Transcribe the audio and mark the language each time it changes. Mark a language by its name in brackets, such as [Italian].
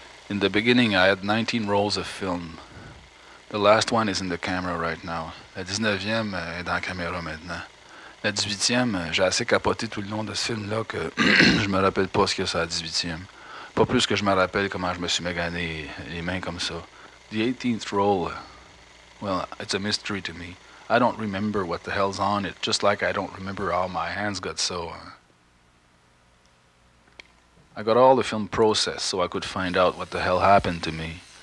[English] In the beginning, I had 19 rolls of film. The last one is in the camera right now. [French] La 19e est dans la caméra maintenant. La 18e, j'ai assez capoté tout le long de ce film-là que je me rappelle pas ce que c'est la 18e. Pas plus que je me rappelle comment je me suis magané les mains comme ça. [English] The 18th roll, well, it's a mystery to me. I don't remember what the hell's on it, just like I don't remember how my hands got so. I got all the film processed so I could find out what the hell happened to me.